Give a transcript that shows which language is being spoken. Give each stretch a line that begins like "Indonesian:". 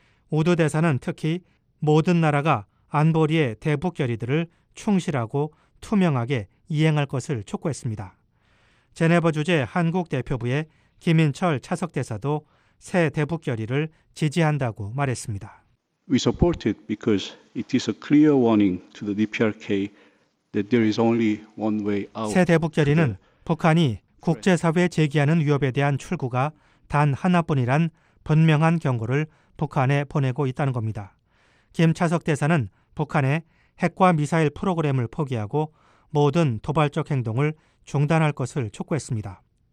Korean: 우드 대사는 특히 모든 나라가 안보리의 대북 결의들을 충실하고 투명하게 이행할 것을 촉구했습니다. 제네바 주재 한국 대표부의 김인철 차석 대사도 새 대북 결의를 지지한다고 말했습니다.
English: We support it because it is a clear warning to the DPRK that there is only one way out.
Korean: 새 대북 결의는 북한이 국제 사회에 제기하는 위협에 대한 출구가 단 하나뿐이란 분명한 경고를 북한에 보내고 있다는 겁니다. 김 차석 대사는 북한의 핵과 미사일 프로그램을 포기하고 모든 도발적 행동을 중단할 것을 촉구했습니다.